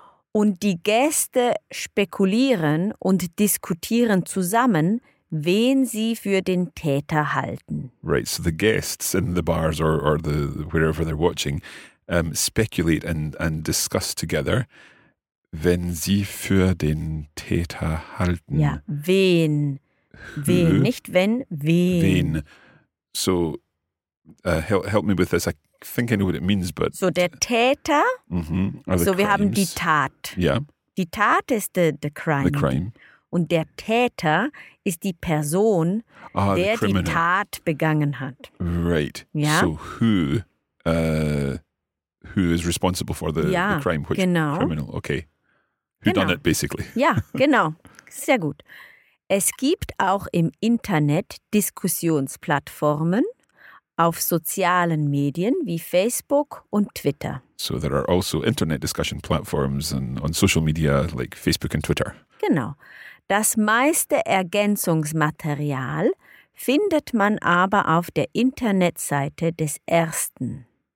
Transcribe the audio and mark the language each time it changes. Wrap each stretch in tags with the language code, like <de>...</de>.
<de>Und die Gäste spekulieren und diskutieren zusammen, wen sie für den Täter halten.</de> <en>Right, so the guests in the bars or the wherever they're watching speculate and discuss together</en> <de>wenn sie für den Täter halten. Ja, wen. Wen, nicht wenn, wen. Wen.</de> <en>So, help me with this. I think I know what it means, but...</en> <de>So, der Täter. Also wir haben die Tat. Ja. Yeah. Die Tat ist</de> <en>the crime. The crime.</en> <de>Und der Täter ist die Person, der die Tat begangen hat.</de> <en>Right.</en> <de>Ja?</de> <en>So, who is responsible for the crime? Which</en> <de>genau.</de> <en>Criminal? Okay. Who</en> <de>genau.</de> <en>done it, basically?</en> <de>Ja, genau. Sehr gut. Es gibt auch im Internet Diskussionsplattformen auf sozialen Medien wie Facebook und Twitter.</de> <en>So there are also internet discussion platforms and on social media like Facebook and Twitter.</en> <de>Genau. Das meiste Ergänzungsmaterial findet man aber auf der Internetseite des Ersten.</de>